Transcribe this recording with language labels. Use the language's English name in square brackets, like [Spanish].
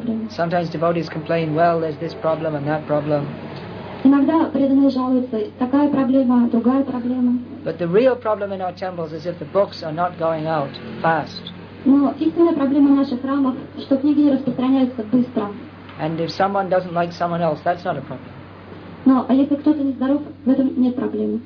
[English] Sometimes devotees complain, well, there's this problem and that problem. [Russian] Иногда преданные жалуются, такая проблема, другая проблема. [English] But the real problem in our temples is if the books are not going out fast. [Russian] Но истинная проблема в наших храмах, что книги не распространяются быстро. [English] And if someone doesn't like someone else, that's not a problem. [Russian] Но а если кто-то не здоров, в этом нет проблемы.